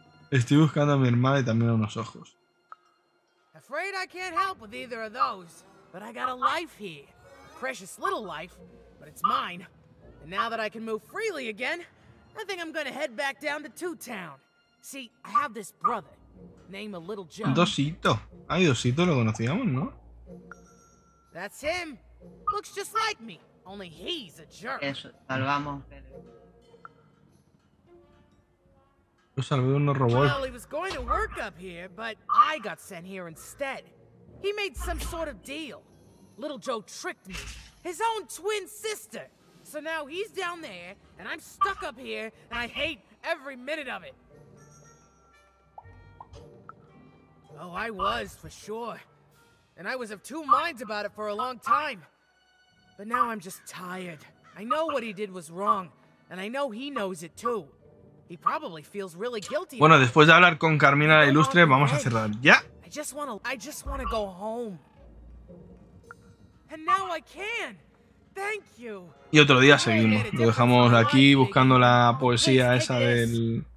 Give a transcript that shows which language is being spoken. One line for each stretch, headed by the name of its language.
Spanish: Estoy buscando a mi hermana y también a unos ojos.
English: Afraid I can't help with either of those, but I got a life here. A precious little life, but it's mine. And now that I can move freely again, I think I'm gonna head back down to Two Town. See, I have this brother, named a Little Joe.
Spanish: Dosito. Ay, Dosito lo conocíamos, ¿no?
English: That's him. Looks just like me, only he's a jerk.
Spanish: Eso, salvamos. Yo salvé unos robots.
English: Well, he was going to work up here, but I got sent here instead. He made some sort of deal. Little Joe tricked me. His own twin sister. So now he's down there, and I'm stuck up here, and I hate every minute of it. Oh, I was, for sure. And I was of two minds about it for a long time. But now I'm just tired. I know what he did was wrong, and I know he knows it too. He probably feels really guilty.
Spanish: Bueno, después de hablar con Carmina la Ilustre, vamos a cerrar ya.
English: I just wanna go home. And now I can. Thank you.
Spanish: Y otro día seguimos. Lo dejamos aquí buscando la poesía esa del.